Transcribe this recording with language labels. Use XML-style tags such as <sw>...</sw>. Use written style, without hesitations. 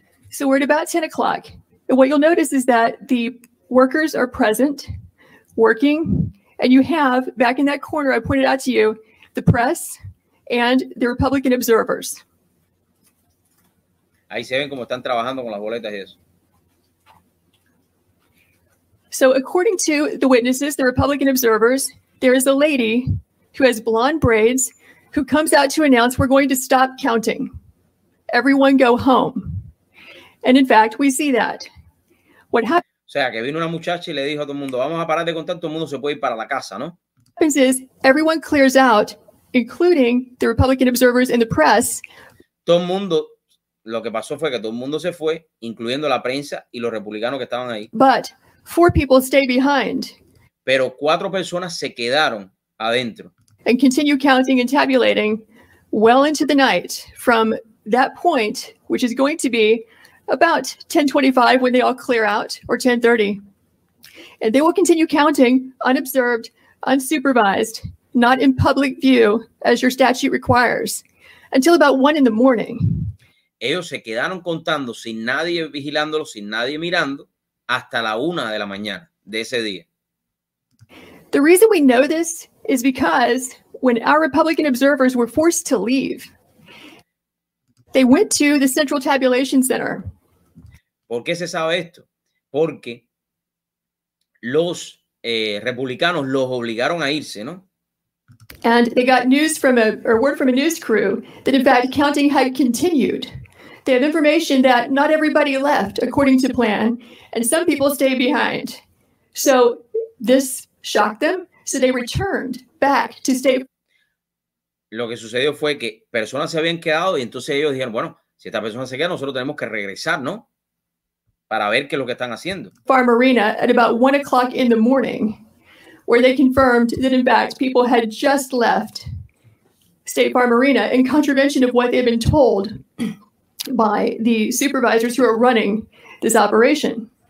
<en>So we're at about 10 o'clock. And what you'll notice is that the workers are present, working, and you have back in that corner, I pointed out to you, the press and the Republican observers.</en> <es>Ahí se ven como están trabajando con las boletas y eso.</es> <en>So according to the witnesses, the Republican observers, there is a lady who has blonde braids who comes out to announce, we're going to stop counting. Everyone go home. And in fact, we see that. What happens?</en> <es>O sea, que vino una muchacha y le dijo a todo el mundo, vamos a parar de contar, todo el mundo se puede ir para la casa, ¿no?</es> <en>What happens is everyone clears out, including the Republican observers and the press.</en> <es>Todo el mundo, lo que pasó fue que todo el mundo se fue, incluyendo la prensa y los republicanos que estaban ahí.</es> <en>But four people stay behind.</en> <es>Pero cuatro personas se quedaron adentro.</es> <en>And continue counting and tabulating well into the night from that point, which is going to be about 10:25 when they all clear out, or 10:30. And they will continue counting unobserved, unsupervised, not in public view, as your statute requires, until about 1 in the morning.</en> <es>Ellos se quedaron contando sin nadie vigilándolos, sin nadie mirando, hasta la 1 de la mañana de ese día.</es> <en>The reason we know this is because when our Republican observers were forced to leave, they went to the Central Tabulation Center.</en> <es>¿Por qué se sabe esto? Porque los republicanos los obligaron a irse, ¿no?</es> <en>And they got news from a, or word from a news crew that in fact counting had continued. They have information that not everybody left according to plan, and some people stayed behind. So this shocked them, so they returned back to stay.</en> <es>Lo que sucedió fue que personas se habían quedado y entonces ellos dijeron, bueno, si esta persona se queda, nosotros tenemos que regresar, ¿no? Para ver qué es lo que están haciendo.</es> <en>Farm arena at about 1 o'clock in the morning, where they confirmed that in fact people had just left State Farm Arena in contravention of what they've been told by the supervisors who are running this operation.</en>